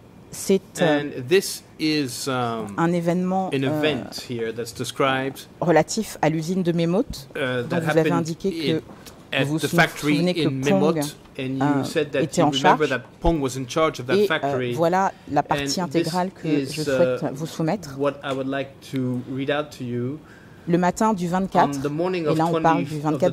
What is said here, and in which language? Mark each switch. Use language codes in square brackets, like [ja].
[fr] C'est un événement relatif à l'usine de Memot, dont vous avez indiqué que [en] at vous the factory in Memot, and you said that you remember that Pong was in charge of that factory. [fr] Et voilà la partie intégrale que je souhaite vous soumettre. [en] What I would like to read out to you. [fr] Le matin du 24, et là on parle du 24